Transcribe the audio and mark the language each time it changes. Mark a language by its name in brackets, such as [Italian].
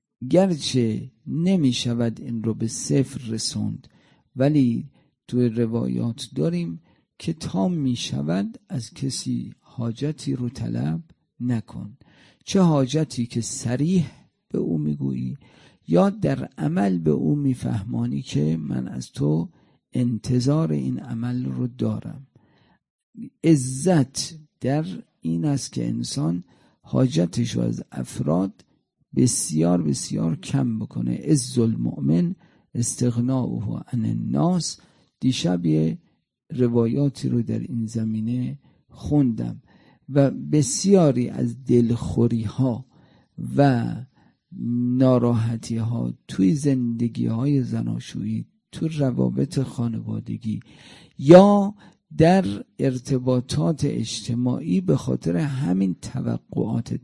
[Persian] گرچه نمیشود این رو به صفر رسوند، ولی توی روایات داریم که تا میشود از کسی حاجتی رو طلب نکن، چه حاجتی که صریح به او میگویی یا در عمل به او میفهمانی که من از تو انتظار این عمل رو دارم. عزت در این است که انسان حاجتش رو از افراد بسیار بسیار کم بکنه. [Arabic] عز المؤمن استغناؤه عن الناس. [Persian] دیشب یه روایاتی رو در این زمینه خوندم و بسیاری از دلخوری ها و ناراحتی ها توی زندگی های زناشویی، توی روابط خانوادگی یا در ارتباطات اجتماعی به خاطر همین توقعات.